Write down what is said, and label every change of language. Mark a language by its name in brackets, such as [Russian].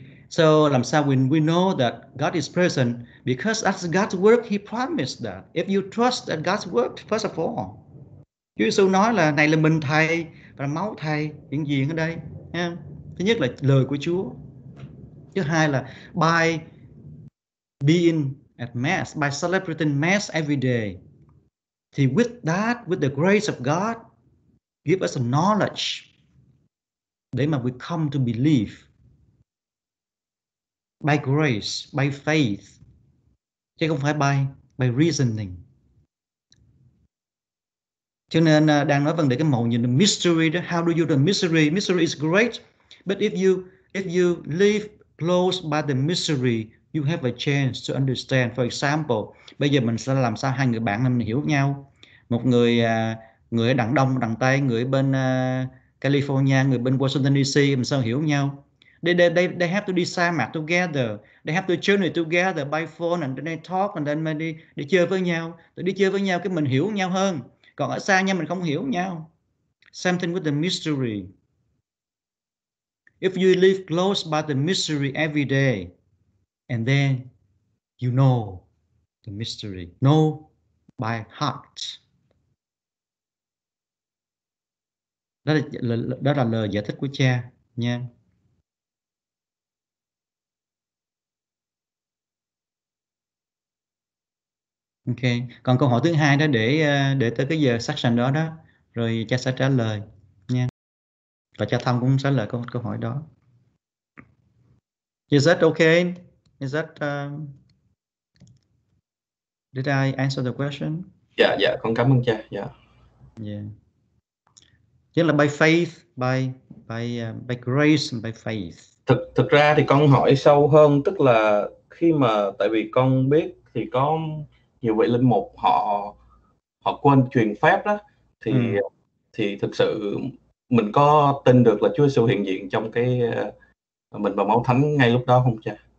[English] So [Vietnamese] làm sao [English] we know that God is present? Because that's God's work, He promised that. If you trust that God's work, first of all, [Vietnamese] Chúa Giêsu nói là này là mình thầy và là máu thầy hiện diện ở đây. Thứ nhất là lời của Chúa. Thứ hai là [English] by being at Mass, by celebrating Mass every day. Thì with that, with the grace of God, give us a knowledge [Vietnamese] để mà [English] we come to believe. By grace, by faith. [Vietnamese] Chứ không phải [English] by reasoning. [Vietnamese] Cho nên đang nói vấn đề cái mẫu nhìn [English] the mystery [Vietnamese] đó. [English] How do you do the mystery? Mystery is great, but if you live close by the mystery, you have a chance to understand. For example, [Vietnamese] bây giờ mình sẽ làm sao hai người bạn mình hiểu nhau. Một người người ở đằng đông, đằng tây, người bên California, người bên Washington DC, mình sao hiểu nhau? [English] They have to [Vietnamese] đi sa mạc [English] together. They have to journey together by phone and then they talk and then maybe [Vietnamese] để chơi với nhau. Để đi chơi với nhau cái mình hiểu nhau hơn. Còn ở xa nha, mình không hiểu nhau. [English] Same thing with the mystery. If you live close by the mystery every day, and then you know the mystery. Know by heart. [Vietnamese] Đó là lời giải thích của cha nha. Ok, còn câu hỏi thứ hai đó để tới cái giờ session đó đó, rồi cha sẽ trả lời nha. Và cha Thông cũng trả lời câu hỏi đó. [English] Is that okay? Is that did I answer the question? Yeah, [Vietnamese] con cảm ơn cha. [English] Yeah. Chính là by faith, by grace and by faith. [Vietnamese] Thực ra thì con hỏi sâu hơn, tức là khi mà tại vì con biết thì có nhiều vị linh mục họ quên truyền phép đó, thì thực sự mình có tin được là Chúa Giêsu hiện diện trong cái mình và máu thánh ngay lúc đó không cha?